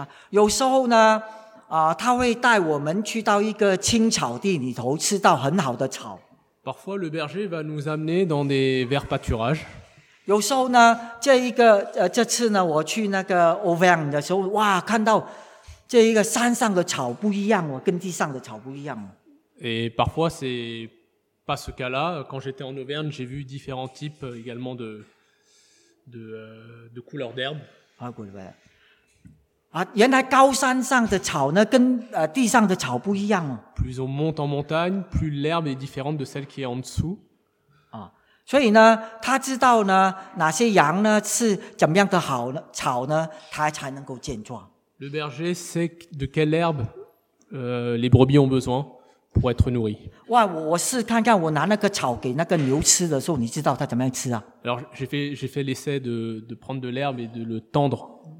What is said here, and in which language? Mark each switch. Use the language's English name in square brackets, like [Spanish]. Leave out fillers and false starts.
[Chinese] 有时候呢，他会带我们去到一个青草地里头，吃到很好的草。 [French] Parfois, le berger va nous amener dans des verts pâturages. [Chinese] 有时候呢，这次呢，我去那个 Auvergne 的时候，哇，看到。这一个山上的草不一样哦，跟地上的草不一样哦。 [French] Et parfois c'est pas ce cas-là. Quand j'étais en Auvergne, j'ai vu différents types également de couleurs d'herbes. [Chinese] 啊，古伯，啊，原来高山上的草呢，跟地上的草不一样哦。 [French] Plus on monte en montagne, plus l'herbe est différente de celle qui est en dessous. [Chinese] 啊，所以呢，他知道呢，哪些羊呢是怎么样的好呢草呢，他才能够健壮。 [French] Le berger sait de quelle herbe les brebis ont besoin pour être nourris. [Chinese] 哇，我试看看，我拿那个草给那个牛吃的时候，你知道它怎么样吃啊 [French] ？Alors j'ai fait l'essai de prendre de l'herbe et de le tendre.